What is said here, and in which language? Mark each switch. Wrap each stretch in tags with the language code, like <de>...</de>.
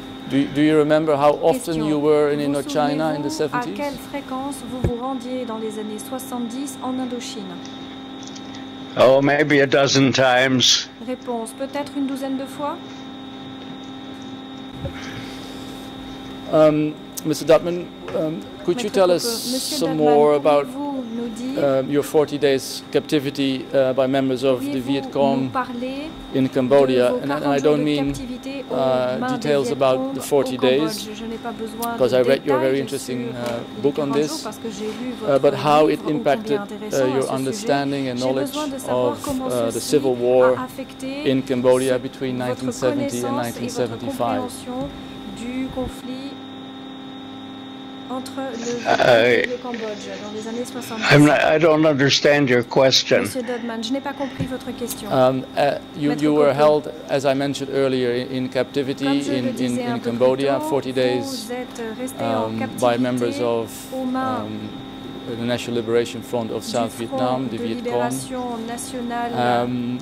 <en>Do you remember how often you were in Indochina in the 70s?</en> <fr>À quelle fréquence vous vous rendiez dans les années 70 en Indochine?</fr> <en>Oh, maybe a dozen times.</en> <fr>Réponse, peut-être une douzaine de fois.</fr> <en>Mr. Dudman, could you tell us some more about your 40 days captivity by members of the Viet Cong in Cambodia? And I don't mean details about the 40 days, because I read your very interesting book on this, but how it impacted your understanding and knowledge of the civil war in Cambodia between 1970 and 1975.</en> <fr>entre le Vietnam et le Cambodge dans les années 70.</fr> <en>I don't understand your question.</en> <fr>Monsieur Dudman, je n'ai pas compris votre question.</fr> <en>You were held, as I mentioned earlier, in captivity in Cambodia, 40 days, by members of the National Liberation Front of South Vietnam, the Viet Cong.</en>